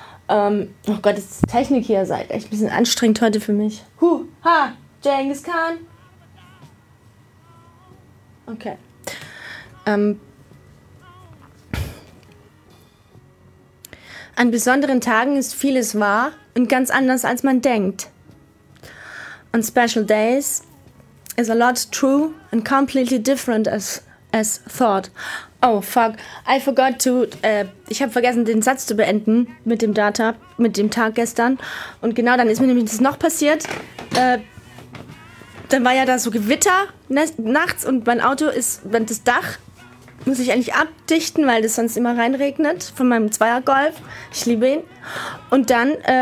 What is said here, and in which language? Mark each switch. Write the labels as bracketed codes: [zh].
[de] Oh Gott, ist die Technik hier seid echt ein bisschen anstrengend heute für mich. Huh, ha, Genghis Khan. Okay. An besonderen Tagen ist vieles wahr und ganz anders, als man denkt. [en] On special days is a lot true and completely different as thought. Oh, fuck. I forgot to... [de] ich habe vergessen, den Satz zu beenden mit dem Data, mit dem Tag gestern. Und genau dann ist mir nämlich das noch passiert. Dann war ja da so Gewitter nachts und mein Auto ist... Wenn das Dach muss ich eigentlich abdichten, weil das sonst immer reinregnet von meinem Zweier-Golf. Ich liebe ihn. Und dann...